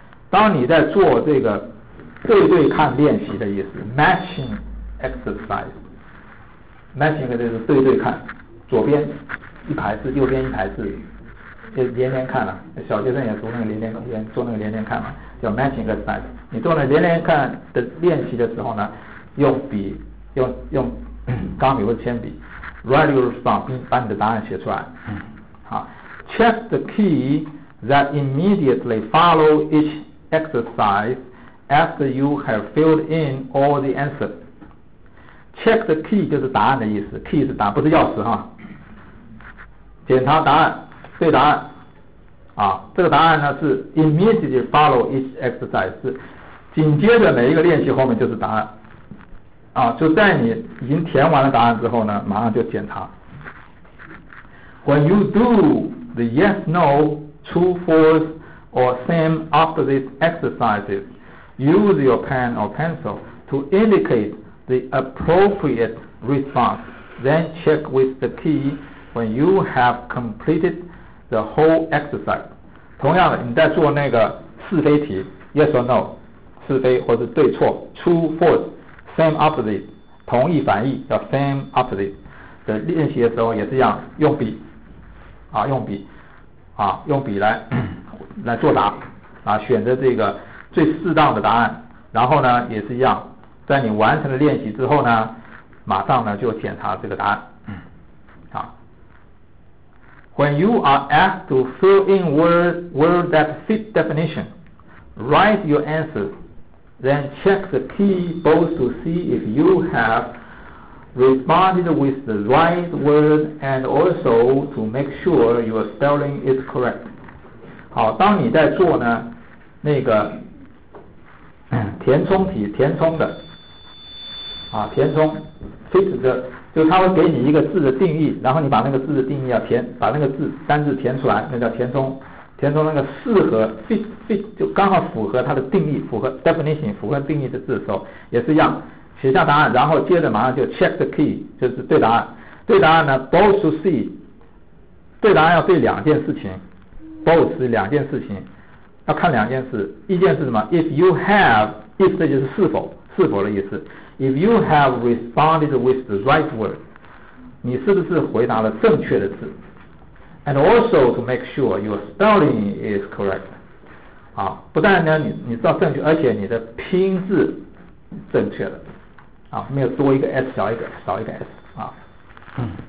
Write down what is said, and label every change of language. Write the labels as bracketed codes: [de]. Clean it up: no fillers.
[zh] 当你在做这个对对看练习的意思 ， [en] matching exercise， [zh] matching 就是对对看，左边一排字，右边一排字，就连连看了。小学生也读那个连连看嘛，叫 [en] matching exercise。 [zh] 你做那连连看的练习的时候呢，用笔。用钢笔或铅笔 [en] write your response， [zh] 把你的答案写出来。 [en] 好 ，check the key that immediately follow each exercise after you have filled in all the answers. Check the key [zh] 就是答案的意思 ，key 是答案，不是钥匙哈。检查答案，对答案。啊，这个答案呢是 [en] immediately follow each exercise， [zh] 是紧接着每一个练习后面就是答案。啊，就在你已经填完了答案之后呢，马上就检查。 [en] When you do the yes, no, true, false, or same after these exercises, use your pen or pencil to indicate the appropriate response. Then check with the key when you have completed the whole exercise. [zh] 同样的，你在做那个是非题 ， [en] yes or no， [zh] 是非或者对错 ， [en] true, false, same after this， [zh] 同意反义叫 [en] same after this [zh] 的练习的时候也是一样，用笔。啊，用笔，啊，用笔来作答，啊，选择这个最适当的答案，然后呢，也是一样，在你完成了练习之后呢，马上呢就检查这个答案，啊。 [en] When you are asked to fill in words that fit definition, write your answers, then check the key both to see if you have. Responded with the right word and also to make sure your spelling is correct. [zh] 好，当你在做呢那个填充题，填充的啊，填充 fit 的，就他会给你一个字的定义，然后你把那个字的定义要填，把那个字单字填出来，那叫填充。填充那个适合 fit 就刚好符合它的定义，符合 definition 符合定义的字的时候，也是一样。写下答案，然后接着马上就 [en] check the key， [zh] 就是对答案。对答案呢 ， [en] both to see， [zh] 对答案要对两件事情 ，both 是两件事情，要看两件事。一件是什么 ？ [en] If you have， [zh] if 这就是是否，是否的意思。 [en] If you have responded with the right word， [zh] 你是不是回答了正确的字 ？ [en] And also to make sure your spelling is correct， [zh] 啊，不但呢你知道正确，而且你的拼字正确了。啊，没有多一个 s， 少一个s 啊。